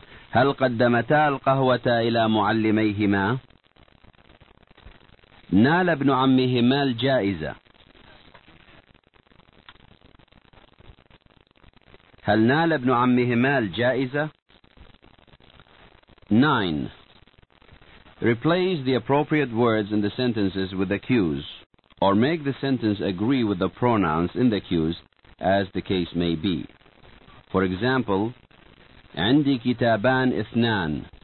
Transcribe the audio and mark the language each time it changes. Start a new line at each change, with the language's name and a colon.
Arabic: هل قدمتا القهوة إلى معلميهما؟ نال ابن عمهما الجائزة. هل نال ابن عمهما الجائزة؟ 9.
English: Replace the appropriate words in the sentences with the cues, or make the sentence agree with the pronouns in the cues, as the case may be. For example,
Arabic: عندي كتابان اثنان.